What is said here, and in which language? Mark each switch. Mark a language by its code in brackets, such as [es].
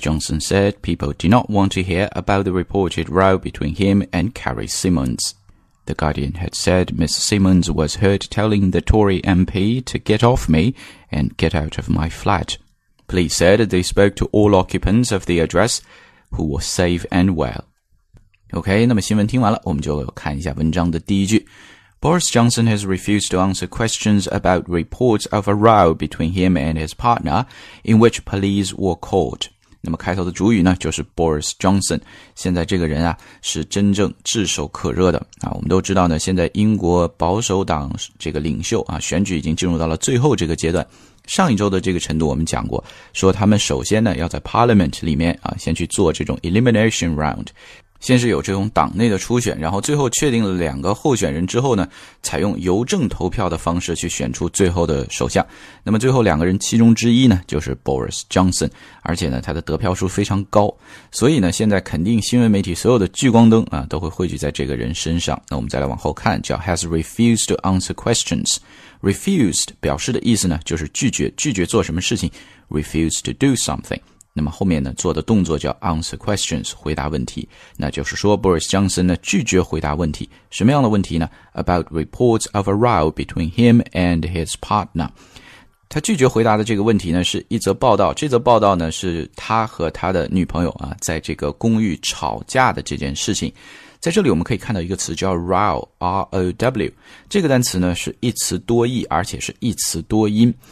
[en] Johnson said people do not want to hear about the reported row between him and Carrie Simmons. The Guardian had said Ms. Simmons was heard telling the Tory MP to get off me and get out of my flat. Police said they spoke to all occupants of the address, who were safe and well. [zh] OK, 那么新闻听完了，我们就看一下文章的第一句。 [en] Boris Johnson has refused to answer questions about reports of a row between him and his partner in which police were called. [zh] 那么开头的主语呢，就是 Boris Johnson。现在这个人啊，是真正炙手可热的。啊，我们都知道呢，现在英国保守党这个领袖啊，选举已经进入到了最后这个阶段。上一周的这个程度我们讲过，说他们首先呢，要在 Parliament 里面啊，先去做这种 [en] elimination round。 [zh] 先是有这种党内的初选，然后最后确定了两个候选人之后呢，采用邮政投票的方式去选出最后的首相。那么最后两个人其中之一呢，就是 Boris Johnson， 而且呢他的得票数非常高，所以呢现在肯定新闻媒体所有的聚光灯啊都会汇聚在这个人身上。那我们再来往后看，叫 [en] has refused to answer questions。 [zh] refused 表示的意思呢就是拒绝，拒绝做什么事情， [en] refuse to do something。 [zh] 那么后面呢做的动作叫 [en] answer questions， [zh] 回答问题。那就是说 Boris Johnson 呢拒绝回答问题。什么样的问题呢？ [en] About reports of a row between him and his partner。 [zh] 他拒绝回答的这个问题呢是一则报道，这则报道呢是他和他的女朋友啊在这个公寓吵架的这件事情。在这里我们可以看到一个词叫 row， R-O-W， 这个单词呢是一词多义，而且是一词多音。